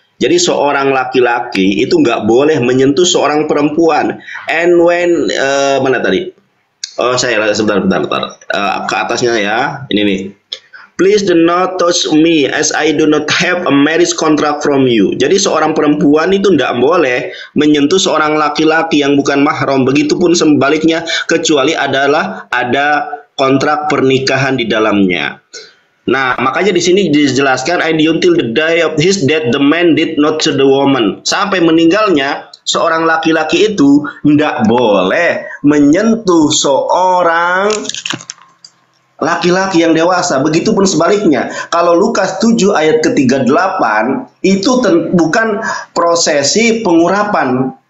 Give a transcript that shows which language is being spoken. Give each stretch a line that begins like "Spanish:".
Indonesian: Jadi seorang laki-laki itu nggak boleh menyentuh seorang perempuan.
English: And when,
Indonesian: mana tadi? Oh, saya sebentar. Ke atasnya ya. Ini nih.
English: Please do not touch me as I do not have a marriage contract from you.
Indonesian: Jadi seorang perempuan itu tidak boleh menyentuh seorang laki-laki yang bukan mahram, begitupun sebaliknya, kecuali adalah ada kontrak pernikahan di dalamnya. Nah, makanya di sini dijelaskan,
English: and until the day of his death the man did not touch the woman.
Indonesian: Sampai meninggalnya seorang laki-laki itu tidak boleh menyentuh seorang laki-laki yang dewasa. Begitupun sebaliknya. Kalau Lukas 7 ayat ke-38 itu bukan prosesi pengurapan.